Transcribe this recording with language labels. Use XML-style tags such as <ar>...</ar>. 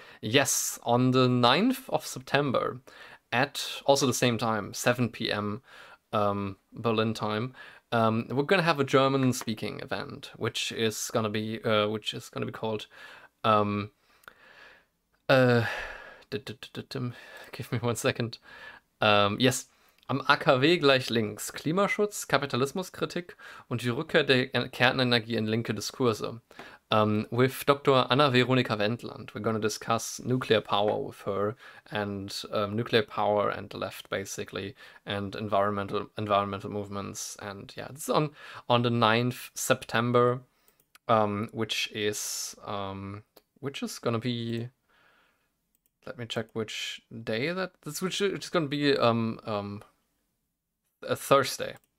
<en>Yes, on the 9th of September at also the same time, 7 p.m. Berlin time. We're gonna have a German speaking event, which is gonna be called give me one second.</en> <de>Yes, am AKW gleich links, Klimaschutz, Kapitalismuskritik und die Rückkehr der Kernenergie in linke Diskurse.</de> <en>With Dr. Anna Veronika Wendland, we're gonna discuss nuclear power with her, and nuclear power and the left basically, and environmental movements. And yeah, it's on the 9th September, which is gonna be, let me check which day that this which is gonna be a Thursday.</en>